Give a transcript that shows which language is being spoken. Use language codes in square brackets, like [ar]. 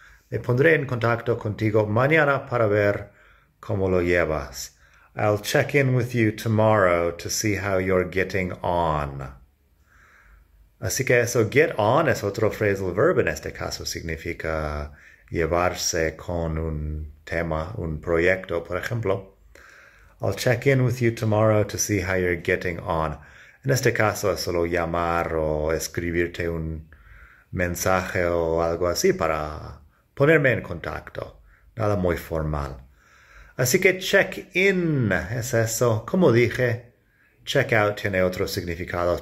[es] Me pondré en contacto contigo mañana para ver cómo lo llevas. [en] I'll check in with you tomorrow to see how you're getting on. [es] Así que eso, get on es otro phrasal verb en este caso, significa llevarse con un tema, un proyecto, por ejemplo. [en] I'll check in with you tomorrow to see how you're getting on. [es] En este caso es solo llamar o escribirte un mensaje o algo así para ponerme en contacto. Nada muy formal. Así que check in es eso. Como dije, check out tiene otros significados.